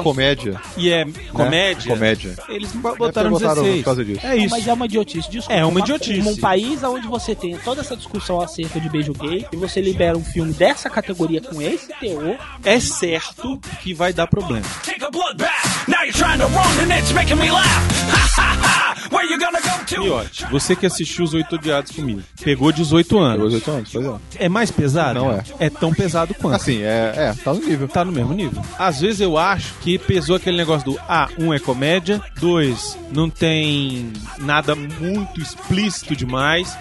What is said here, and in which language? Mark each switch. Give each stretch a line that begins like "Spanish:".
Portuguese: É comédia. E é comédia. É comédia. Eles botaram 16. Por causa disso. É isso. Não, mas é uma idiotice. Desculpa. É uma idiotice. Num país onde você tem toda essa discussão acerca de beijo gay, e você libera um filme dessa categoria com esse teor, é certo que vai dar problema.
English: Take a blood bath. Now you're trying to run and it's making me laugh. Where you gonna go to?
Portuguese: Miote, você que assistiu Os Oito Odiados comigo, pegou 18 anos. Pegou 18 anos, pois é. É mais pesado? Não é. É tão pesado quanto. Assim, é, tá no nível. Tá no mesmo nível. Às vezes eu acho que pesou aquele negócio do A, um é comédia, dois, não tem nada muito explícito demais.